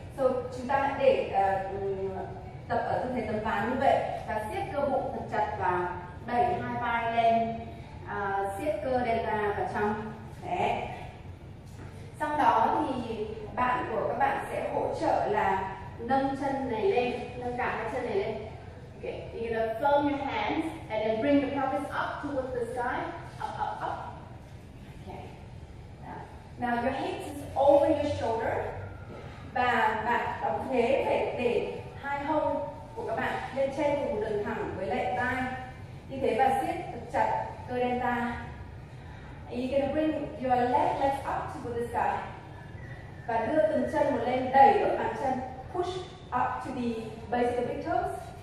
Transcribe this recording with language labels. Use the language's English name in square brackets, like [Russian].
[Vietnamese] So chúng ta hãy để tập ở tư thế tấm ván như vậy và siết cơ bụng thật chặt và đẩy hai vai lên, siết cơ delta vào trong. Đấy. Sau đó thì bạn của các bạn sẽ hỗ trợ là nâng chân này lên, nâng cả hai chân này lên. [English] Okay, you're gonna firm your hands and then bring the pelvis up towards the sky. Up, up, up. Okay. Now your hips is over your shoulder. [Vietnamese] Và bạn thế phải để hai hông của các bạn lên trên cùng đường thẳng với lại vai. Như thế và siết chặt cơ delta. [English] You're gonna bring your legs up towards the sky. [Vietnamese] Và đưa từng chân một lên, đẩy ở bàn chân. [English] Push up to the base of the big toes.